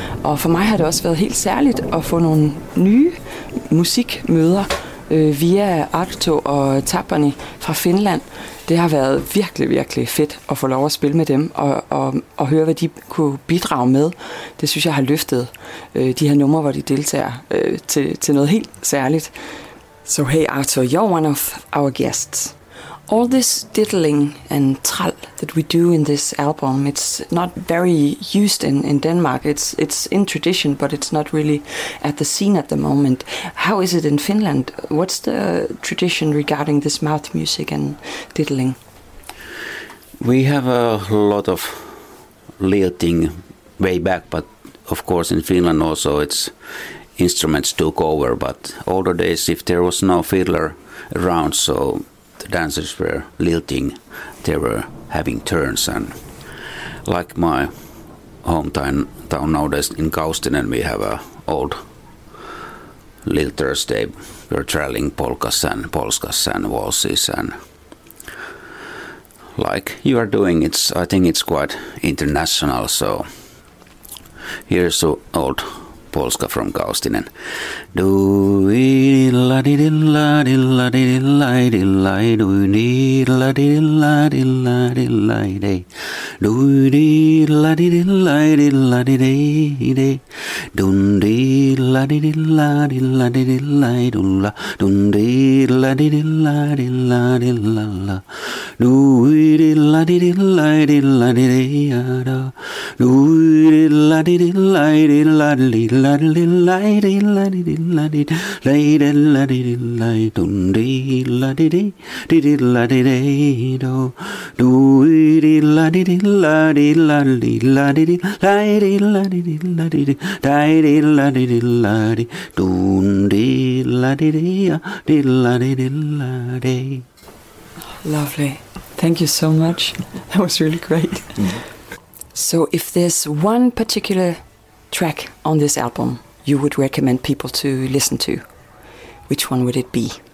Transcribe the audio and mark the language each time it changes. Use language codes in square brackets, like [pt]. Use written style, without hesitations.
[da] Og for mig har det også været helt særligt at få nogle nye musikmøder via Arto og Tapani fra Finland. Det har været virkelig, virkelig fedt at få lov at spille med dem og høre, hvad de kunne bidrage med. Det synes jeg har løftet de her numre, hvor de deltager til noget helt særligt. [en] So hey Arthur, you're one of our guests. All this diddling and tral that we do in this album, it's not very used in Denmark. It's in tradition, but it's not really at the scene at the moment. How is it in Finland? What's the tradition regarding this mouth music and diddling? We have a lot of lilting way back, but of course in Finland also it's instruments took over. But older days, if there was no fiddler around, so the dancers were lilting, they were having turns, and like my hometown nowadays in Kaustinen, we have a old lilters, they were trailing polkas and waltzes, and like you are doing, it's, I think it's quite international, so here's the old Polska from Kaustinen. Do we la di di la di la di di la di la do we need la di di la di la di la di do we need la di di la di la di di di di di di di di di di di di di di di di di di di di di di di di di di di di di di di di di di di di di di di di di di di di di di di di di di di di di di di di di di di di di di di di di di di di di di di di di di di di di di di di di di di di di di di di di di di di di di di di di di di di di di di di di di di di di di di di di di di di di di di di di di di di di di di di di di di di di di di di di di di di di di di di di di di di di di di di di di di di di di di di di di di di di di di di di di di di di di di di di di di di di di di di di di di di di di di di di di di di di di di di di di di di di di di di di di di di di di di di di di di di di di di di di di di di di di di di di di di di di di di di di di di di di di di di di di di di di di di di di di di di di di di di di di di di di di di di di di di di di di di di di di di di di di di di di di di di di di di di di di di di di di di di di di di di di di di di di di di di di di di di di di di di di di di di di di di di di di di di di di di di di di di di di di di di di di di di di di di di di di di di di di di di di di di di di di di di di di di di di la di di la di la di di la di la dun di la di di la di la di la la du di la di di la di la di la da du di la di di la di la di la di la di la di di la di la di la di di la dun di la di di di la di da du di la di di la di la di la di la di la di di la di di da di la di di la di dun di la di di a di la di di la di. Lovely. Thank you so much. That was really great. So if there's one particular track on this album you would recommend people to listen to, which one would it be?